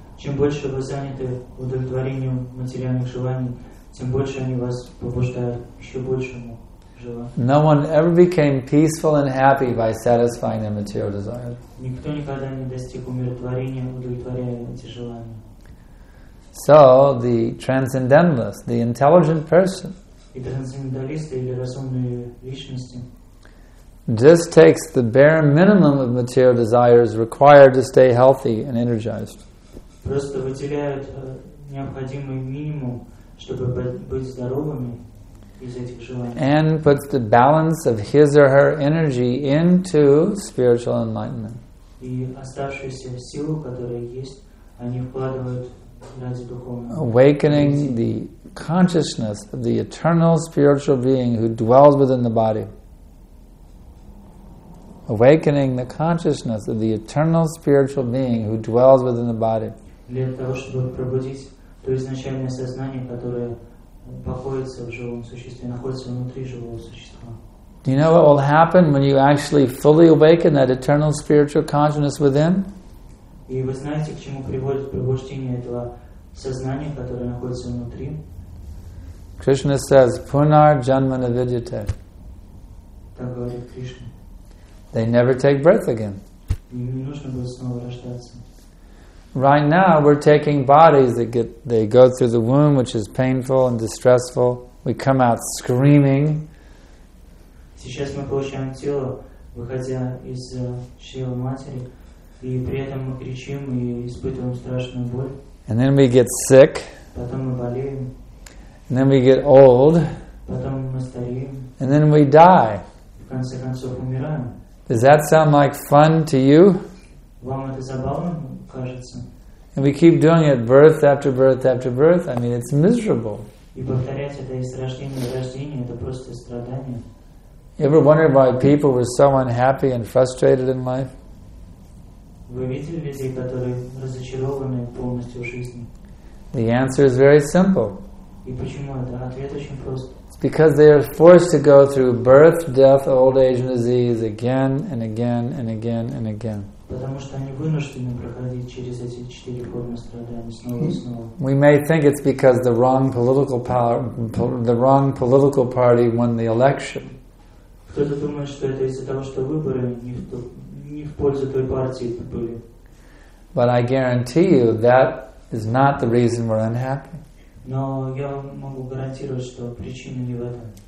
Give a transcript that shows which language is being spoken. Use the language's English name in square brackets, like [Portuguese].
[Russian] Чем больше вы заняты удовлетворением материальных желаний, тем больше они вас побуждают еще большему желанию. [English] No one ever became peaceful and happy by satisfying their material desires. [Russian] Никто никогда не достиг умиротворения, удовлетворяя эти желания. [English] So, the transcendentalist, the intelligent person, [Russian] и трансценденталисты или разумные личности, [English] just takes the bare minimum of material desires required to stay healthy and energized. [Russian] Просто выделяют необходимый минимум, чтобы быть здоровыми из этих желаний. [English] And puts the balance of his or her energy into spiritual enlightenment. [Russian] И оставшуюся силу, которая есть, они вкладывают ради духовного. [English] Awakening the consciousness of the eternal spiritual being who dwells within the body. Awakening the consciousness of the eternal spiritual being who dwells within the body. [Russian] Для того, чтобы пробудить то изначальное сознание, которое покоится в живом существе, находится внутри живого существа. [English] Do you know what will happen when you actually fully awaken that eternal spiritual consciousness within? [Russian] И вы знаете, к чему приводит пробуждение этого сознания, которое находится внутри? [English] Krishna says, [Sanskrit] "Punar janma na vidyate." [Russian] Так говорит Кришна. [English] They never take breath again. [Russian] Не нужно будет снова рождаться. [English] Right now, we're taking bodies that they go through the womb, which is painful and distressful. We come out screaming. [Russian] Сейчас мы получаем тело, выходя из чрева матери, и при этом мы кричим и испытываем страшную боль. [English] And then we get sick. [Russian] Потом мы болеем. [English] And then we get old. [Russian] Потом мы стареем. [English] And then we die. [Russian] В конце концов, умираем. [English] Does that sound like fun to you? [Russian] Вам это забавно, кажется? [English] And we keep doing it birth after birth after birth. I mean, it's miserable. [Russian] И повторять это из рождения в рождение, это просто страдание. [English] You ever wonder why people were so unhappy and frustrated in life? [Russian] Вы видели людей, которые разочарованы полностью в жизни? [English] The answer is very simple. [Russian] И почему это? Ответ очень прост. [English] It's because they are forced to go through birth, death, old age, and disease again and again and again and again. [Russian] Потому что они вынуждены проходить через эти четыре формы страданий снова и снова. [English] We may think it's because the wrong political power, the wrong political party won the election. [Russian] Кто-то думает, что это из-за того, что выборы не в пользу той партии были. [English] But I guarantee you that is not the reason we're unhappy. [Russian] Но я могу гарантировать, что причина не в этом.